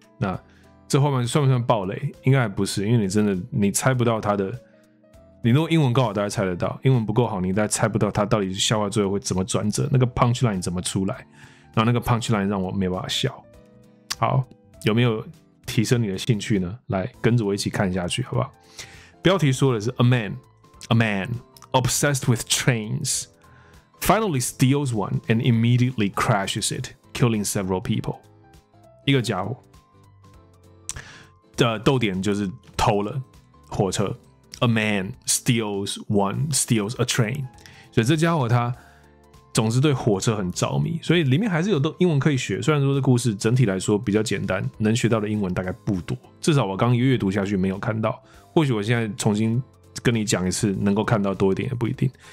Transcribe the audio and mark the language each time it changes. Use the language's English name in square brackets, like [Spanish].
[Chinese] 那这后面算不算爆雷？应该还不是，因为你真的你猜不到它的，你如果英文够好大家猜得到，英文不够好你大家猜不到它到底笑话最后会怎么转折，那个 punchline 怎么出来，然后那个 punchline 让我没办法笑。好，有没有提升你的兴趣呢？来跟着我一起看下去好不好？标题说的是 [English] A man obsessed with trains finally steals one and immediately crashes it, killing several people. [Chinese] 一个家伙的逗点就是偷了火车。 [English] A man steals a train. [Chinese] 所以这家伙他总是对火车很着迷，所以里面还是有英文可以学。虽然说这故事整体来说比较简单，能学到的英文大概不多，至少我刚阅读下去没有看到，或许我现在重新跟你讲一次能够看到多一点也不一定。